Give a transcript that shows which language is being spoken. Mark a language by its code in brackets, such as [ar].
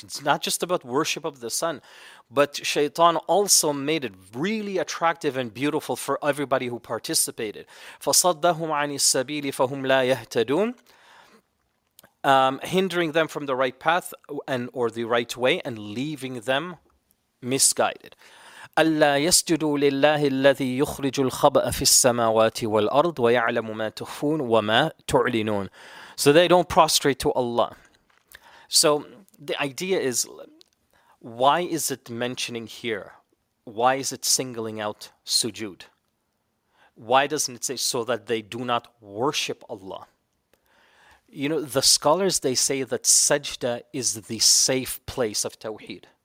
[en] It's not just about worship of the sun, but shaitan also made it really attractive and beautiful for everybody who participated. [ar] فَصَدَّهُمْ عَنِ السَّبِيلِ فَهُمْ لَا يَهْتَدُونَ [en] Hindering them from the right path and or the right way and leaving them misguided. [ar] أَلَّا يَسْجُدُوا لِلَّهِ الَّذِي يُخْرِجُ الْخَبَأَ فِي السَّمَاوَاتِ وَالْأَرْضِ وَيَعْلَمُ مَا تُخْفُونَ وَمَا تُعْلِنُونَ [en] So they don't prostrate to Allah. So the idea is, why is it mentioning here? Why is it singling out sujood? Why doesn't it say so that they do not worship Allah? You know, the scholars, they say that sajda is the safe place of tawheed.